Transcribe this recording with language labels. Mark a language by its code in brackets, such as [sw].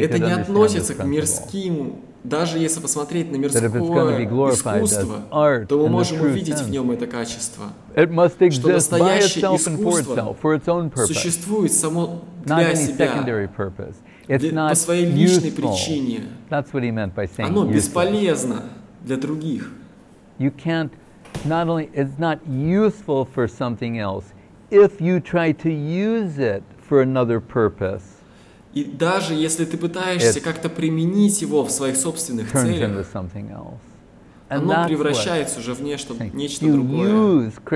[ru] это не относится к мирским. Даже если посмотреть на мирское искусство, [en] art, [ru] то мы можем увидеть в нем это качество, что настоящее искусство существует само для себя, по своей личной причине. Оно бесполезно для других. [en] You can't, not only, it's not useful for something else, if you try to use it for another purpose. [ru] И даже если ты пытаешься как-то применить его в своих собственных целях, оно превращается уже в нечто, нечто другое.